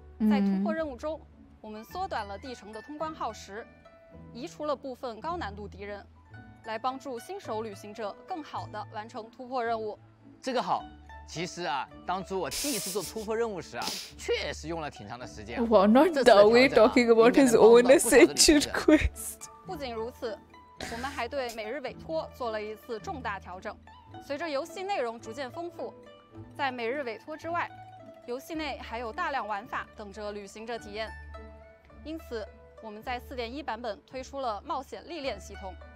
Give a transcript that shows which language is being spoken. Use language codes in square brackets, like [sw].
[zh] 在突破任务中，我们缩短了地城的通关耗时，移除了部分高难度敌人，来帮助新手旅行者更好地完成突破任务。这个好。其实啊，当初我第一次做突破任务时啊，确实用了挺长的时间。 [en] Well, not that we're talking about his own adventure quest. [zh] 不仅如此，我们还对每日委托做了一次重大调整。随着游戏内容逐渐丰富，在每日委托之外，游戏内还有大量玩法等着旅行者体验。因此，我们在 4.1 版本推出了冒险历练系统。